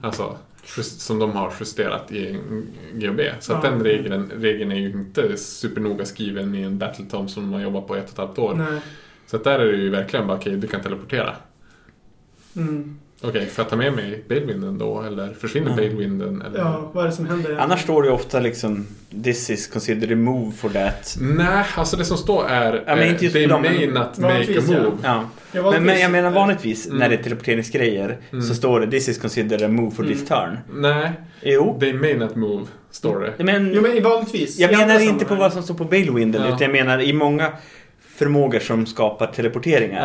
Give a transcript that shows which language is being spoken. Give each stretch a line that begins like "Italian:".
Swedish: Alltså, som de har justerat i en GHB. Så att den regeln är ju inte supernoga skriven i en Battletome som man jobbar på 1,5 år. Nej. Så där är det ju verkligen bara, okej, du kan teleportera. Mm. Okej, får jag ta med mig Balewinden då? Eller försvinner Balewinden? Eller? Ja, vad är det som händer? Annars står det ju ofta liksom,
English: this is considered a move for that.
Swedish: Nej, alltså det som står är,
English: they may not make a move.
Swedish: Ja. Men jag menar vanligtvis, när det är teleporteringsgrejer, så står det,
English: this is considered a move for this turn.
Swedish: Nej, jo.
English: They may not move.
Swedish: Står det. Men vanligtvis. Jag menar inte på vad som står på Balewinden, utan jag menar i många förmågor som skapar teleporteringar.